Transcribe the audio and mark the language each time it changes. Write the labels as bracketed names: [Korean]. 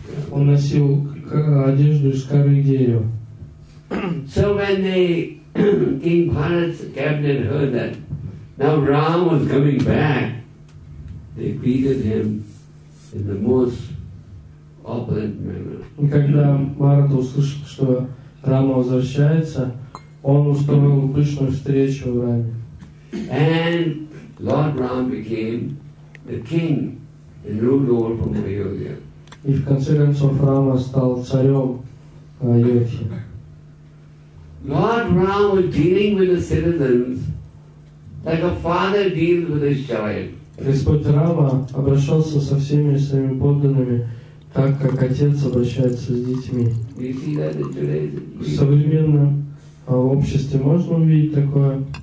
[Russian] Он носил одежду из коры дерева. [English] So when the King Bharat's cabinet heard that now Ram was coming back, they greeted him in the most opulent manner. [Russian] И когда Бхарат услышал, что Рама возвращается, он устроил пышную встречу в Раме. [English] And Lord Ram became the king. And ruled over from Ayodhya. [Russian] И в конце концов Рама стал царем Айодхи. [English] Lord Ram was dealing with the citizens like a father deals with his child. [Russian] Господь Рама обращался со всеми своими подданными так, как отец обращается с детьми. В современном обществе можно увидеть такое.